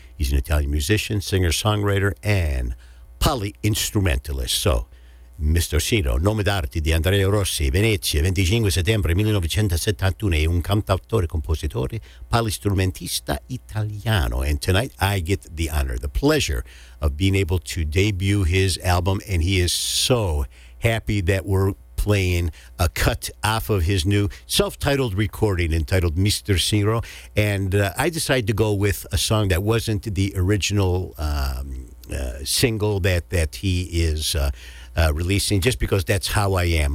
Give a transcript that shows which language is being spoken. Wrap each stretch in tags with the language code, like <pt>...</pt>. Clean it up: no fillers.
<en>He's an Italian musician, singer, songwriter, and polyinstrumentalist. So, Mr.</en> <it>Ciro, nome d'arte di Andrea Rossi, Venezia, 25 settembre 1971, è un cantautore, compositore, polistrumentista italiano.</it> <en>And tonight I get the honor, the pleasure of being able to debut his album, and he is so happy that we're playing a cut off of his new self-titled recording entitled Mr. Ciro. And I decided to go with a song that wasn't the original single that he is releasing, just because that's how I am.</en>